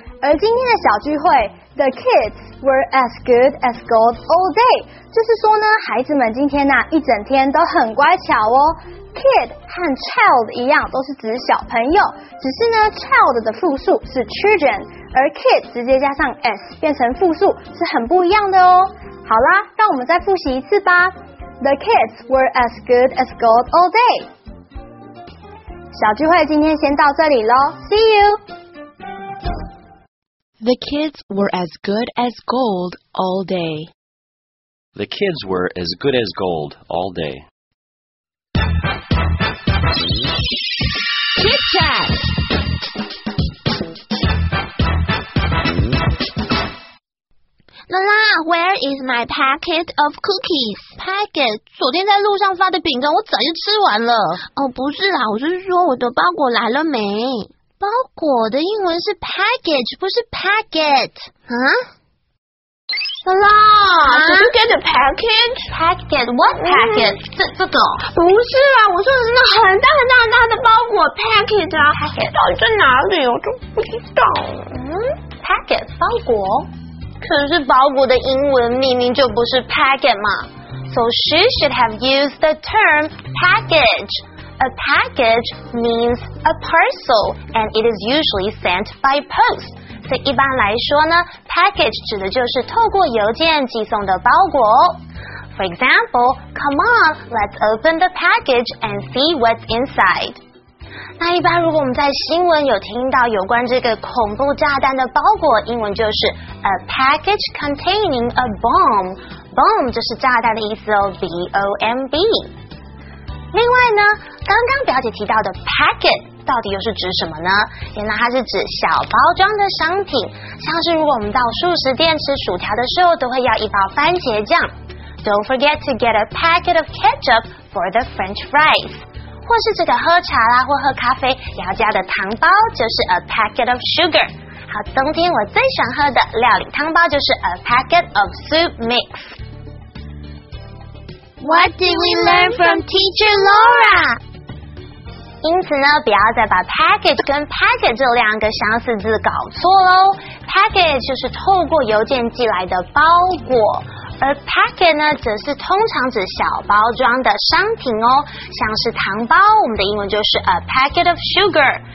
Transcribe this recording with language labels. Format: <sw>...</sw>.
<zh>而今天的小聚会，</zh> <en>The kids were as good as gold all day，</en> <zh>就是说呢，孩子们今天啊，一整天都很乖巧哦。 Kid 和 child 一样，都是指小朋友，只是呢 child 的复数是 children， 而 kid 直接加上 s 变成复数是很不一样的哦。好啦，让我们再复习一次吧。</zh> <en>The kids were as good as gold all day。</en> <zh>小聚会今天先到这里咯，</zh> <en>See you。 The kids were as good as gold all day。 The kids were as good as gold all day。 Chit chat. Lala, where is my packet of cookies? Packet?</en> <zh>昨天在路上发的饼干我早就吃完了。哦，不是啦，我是说我的包裹来了没。包裹的英文是 package, 不是 packet。啊？</zh> <en>Lala, did you get a package? Package? What package?</en> <zh>这个？不是啦，我说的是那很大很大很大的包裹 package 啊。</zh> <en>Package</en> <zh>到底在哪里？我都不知道。嗯 ，package 包裹？可是包裹的英文明明就不是 package 嘛。</zh> <en>So she should have used the term package. A package means a parcel, and it is usually sent by post.</en> <zh>所以一般来说呢 ，package 指的就是透过邮件寄送的包裹。</zh> <en>For example, come on, let's open the package and see what's inside.</en> <zh>那一般如果我们在新闻有听到有关这个恐怖炸弹的包裹，英文就是</zh> <en>a package containing a bomb.</en> <zh>Bomb 就是炸弹的意思哦 ，B-O-M-B。另外呢，刚刚表姐提到的 packet。到底又是指什么呢？原来它是指小包装的商品，像是如果我们到素食店吃薯条的时候，都会要一包番茄酱。</zh> <en>Don't forget to get a packet of ketchup for the French fries。</en> <zh>或是这个喝茶啦，或喝咖啡也要加的糖包，就是</zh> <en>a packet of sugar。</en> <zh>好，冬天我最喜欢喝的料理汤包就是</zh> <en>a packet of soup mix。 What did we learn from Teacher Laura?</en> <zh>因此呢，不要再把 package 跟 packet 这两个相似字搞错喽。 package 就是透过邮件寄来的包裹，而 packet 呢，则是通常指小包装的商品哦，像是糖包，我们的英文就是</zh> <en>a packet of sugar。</en>